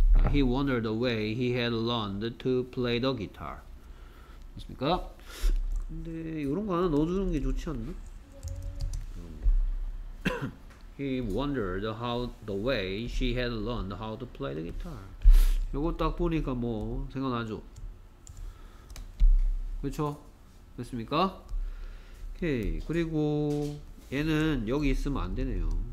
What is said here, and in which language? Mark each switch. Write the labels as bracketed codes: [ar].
[en] He wondered the way he had learned to play the guitar. [ko] 맞습니까? 근데 이런 거 하나 넣어주는 게 좋지 않나? [en] He wondered how the way she had learned how to play the guitar. [ko] 요거 딱 보니까 뭐 생각나죠? 그쵸? 됐습니까? 오케이 그리고 얘는 여기 있으면 안 되네요.